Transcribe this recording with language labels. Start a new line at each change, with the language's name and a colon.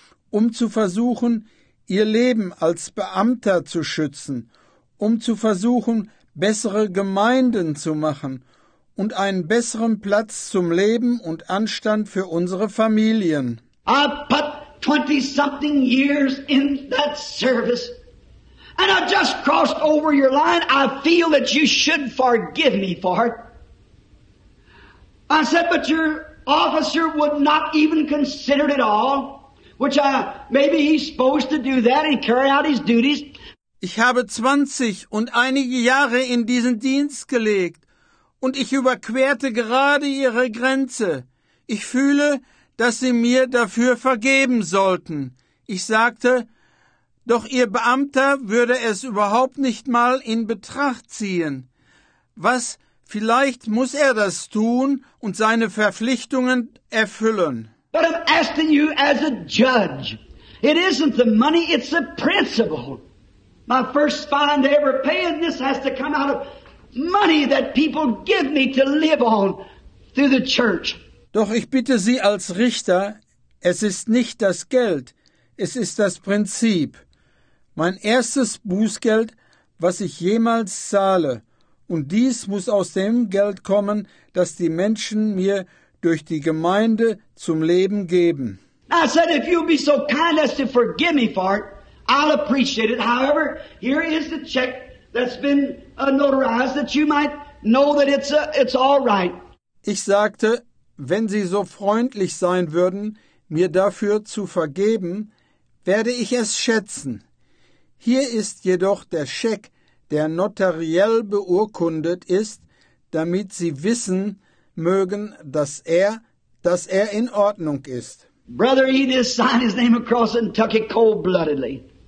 German: um zu versuchen, ihr Leben als Beamter zu schützen, um zu versuchen, bessere Gemeinden zu machen und einen besseren Platz zum Leben und Anstand für unsere Familien.
English: I put 20-something years in that service. And I just crossed over your line. I feel that you should forgive me for it. I said, but your officer would not even consider it at all, which I, maybe he's supposed to do that and carry out his duties.
German: Ich habe 20 und einige Jahre in diesen Dienst gelegt und ich überquerte gerade Ihre Grenze. Ich fühle, dass sie mir dafür vergeben sollten. Ich sagte, doch ihr Beamter würde es überhaupt nicht mal in Betracht ziehen. Was, vielleicht muss er das tun und seine Verpflichtungen erfüllen.
English: But I'm asking you as a judge. It isn't the money, it's the principle. My first fine to ever pay in this has to come out of money that people give me to live on through the church.
German: Doch ich bitte Sie als Richter, es ist nicht das Geld, es ist das Prinzip. Mein erstes Bußgeld, was ich jemals zahle, und dies muss aus dem Geld kommen, das die Menschen mir durch die Gemeinde zum Leben geben.
English: I said, if you'll be so kind as to forgive me for it, I'll appreciate it. However, here is the check that's been notarized that you might know that it's all right.
German: Ich sagte, wenn Sie so freundlich sein würden, mir dafür zu vergeben, werde ich es schätzen. Hier ist jedoch der Scheck, der notariell beurkundet ist, damit Sie wissen mögen, dass er in Ordnung ist.
English: Brother Edith signed his name across and took it cold-bloodedly.